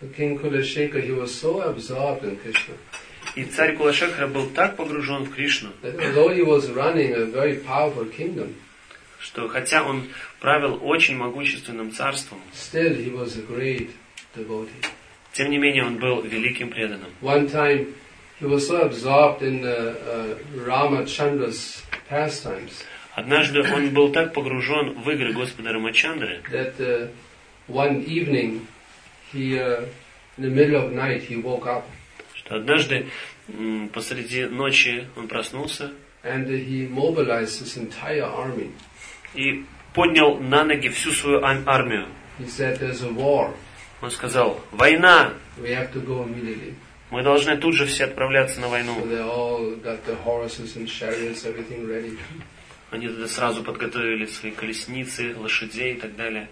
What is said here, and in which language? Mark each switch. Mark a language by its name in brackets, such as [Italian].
[English] King Kulashekhar, he was so absorbed in Krishna. [Russian] И царь Кулашекхара был так погружен в Кришну. [English] Although he was running a very powerful kingdom. [Russian] Что хотя он правил очень могущественным царством, [English] still he was a great devotee. [Russian] Тем не менее он был великим преданным. [English] One time he was so absorbed in the Ramachandra's pastimes. [Russian] Однажды он был так погружен в игры Господа Рамачандры, [English] that one evening in the middle of night he woke up. [Russian] Что однажды посреди ночи он проснулся, [English] and he mobilized his entire army. [Russian] И поднял на ноги всю свою армию. [English] He said, there's a war. [Russian] Он сказал, война! [English] We have to go immediately. [Russian] Мы должны тут же все отправляться на войну. [English] So they all got the horses and chariots, everything ready. [Russian] Они тогда сразу подготовили свои колесницы, лошадей и так далее.